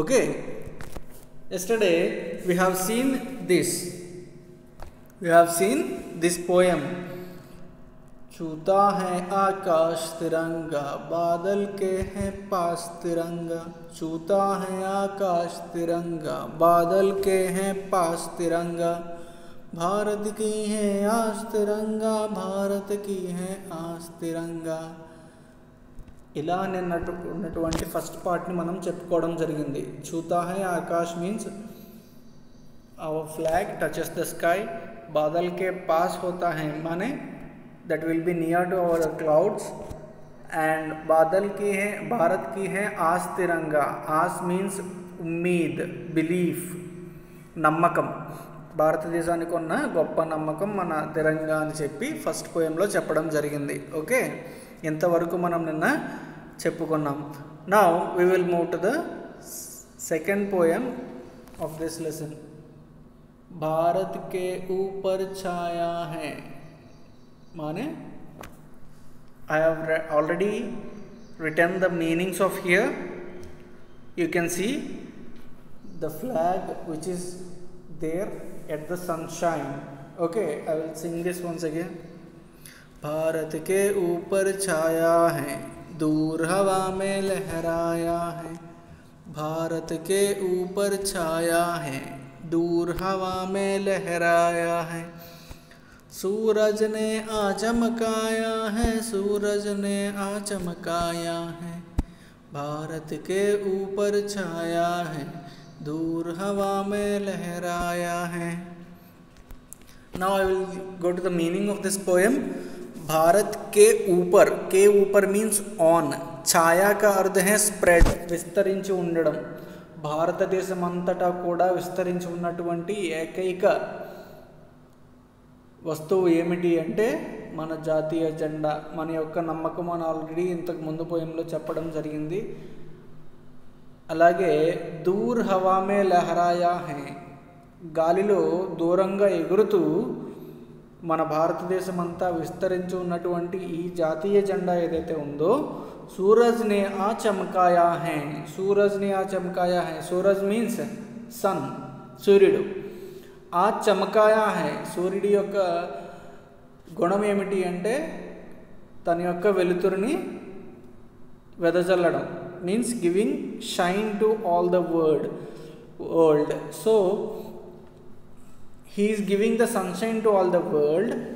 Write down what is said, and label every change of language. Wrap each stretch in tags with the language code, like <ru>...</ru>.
<hi>Okay,</hi> <en>yesterday we have seen this poem,</en> <hi>छूता है आकाश तिरंगा, बादल के हैं पास तिरंगा। छूता है आकाश तिरंगा, बादल के हैं पास तिरंगा। भारत की है आज तिरंगा, भारत की है आज तिरंगा।</hi> <te>ఇలా అన్నటువంటి ఫస్ట్ పార్ట్ని మనం చెప్పుకోవడం జరిగింది.</te> <hi>చూతా high Akash</hi> <en>Means our flag touches the sky.</en> <hi>Badal K pass హోతా high Mane</hi> <en>that will be near to our clouds and</en> <hi>Badal కి హే భారత్ కి హే ఆస్ తిరంగా.</hi> <en>Aas means ummeed, belief, నమ్మకం.</en> <te>భారతదేశానికి ఉన్న గొప్ప నమ్మకం మన తిరంగా అని చెప్పి ఫస్ట్ పోయంలో చెప్పడం జరిగింది. ఓకే, ఇంతవరకు మనం నిన్న చెప్పుకున్నాం.</te> <en>Now we will move to the second poem of this lesson.</en> <hi>Bharat K ఊపర్ Chhaya high</hi> <en>మనే I have already written the meanings of here. You can see the flag which is there at the sunshine. Okay, I will sing this once again.</en> <hi>Bharat के ऊपर छाया है, दूर हवा में लहराया है। भारत के ऊपर छाया है, दूर हवा में लहराया है। सूरज ने आ चमकाया है, सूरज ने आ चमकाया है। भारत के ऊपर छाया है, दूर हवा में लहराया है।</hi> <en>Now I will go to the meaning of this poem.</en> <hi>Bharat के ऊपर</hi> <en>Means on.</en> <hi>छाया का अर्थ है स्प्रेड,</hi> <te>विस्तरించి ఉండడం. భారతదేశం అంతటా కూడా విస్తరించి ఉన్నటువంటి ఏకైక వస్తువు ఏమిటి అంటే మన జాతీయ జెండా. మన యొక్క నమ్మకం మనం ఆల్రెడీ ఇంతకు ముందు పోయంలో చెప్పడం జరిగింది. అలాగే</te> <hi>దూర్ హవామే లహరాయా హై,</hi> <te>గాలిలో దూరంగా ఎగురుతూ మన భారతదేశం అంతా విస్తరించి ఉన్నటువంటి ఈ జాతీయ జెండా ఏదైతే ఉందో,</te> <hi>సూరజ్ని ఆ చమకాయా హై,</hi> <te>సూరజ్ని ఆ చమకాయా హై. సూరజ్ మీన్స్ సన్, సూర్యుడు.</te> <hi>ఆ చమకాయా హై,</hi> <te>సూర్యుడి యొక్క గుణం ఏమిటి అంటే తన యొక్క వెలుతురుని వెదజల్లడం.</te> <en>Means giving shine to all the world. So he is giving the sunshine to all the world.</en>